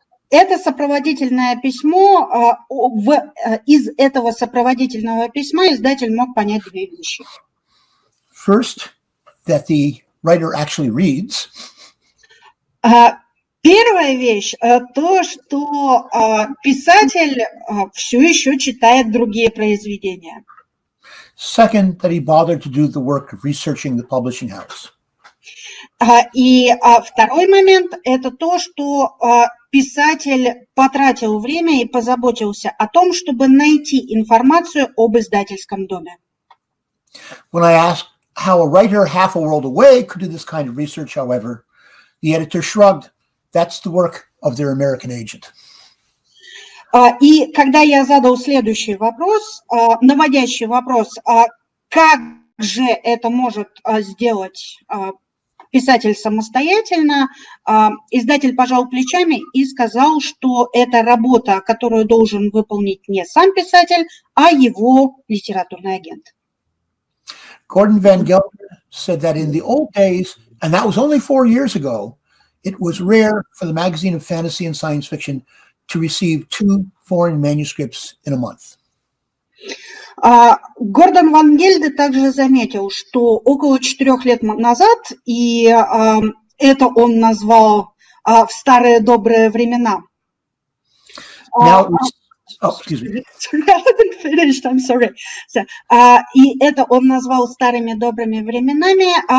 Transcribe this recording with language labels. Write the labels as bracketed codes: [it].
[ru] Это сопроводительное письмо, из этого сопроводительного письма издатель мог понять две вещи. [en] First, that the writer actually reads. [ru] Первая вещь – то, что писатель все еще читает другие произведения. [en] Second, that he bothered to do the work of researching the publishing house. [ru] И второй момент – это то, что писатель потратил время и позаботился о том, чтобы найти информацию об издательском доме. [en] When I asked how a writer half a world away could do this kind of research, however, the editor shrugged, that's the work of their American agent. [ru] И когда я задал следующий вопрос, наводящий вопрос, как же это может сделать писатель самостоятельно, издатель пожал плечами и сказал, что это работа, которую должен выполнить не сам писатель, а его литературный агент. [en] Gordon Van Gelder said that in the old days, and that was only 4 years ago, it was rare for the magazine of fantasy and science fiction to receive two foreign manuscripts in a month. [ru] Гордон Ван Гельде также заметил, что около 4 лет назад, и это он назвал в старые добрые времена. И это он назвал старыми добрыми временами.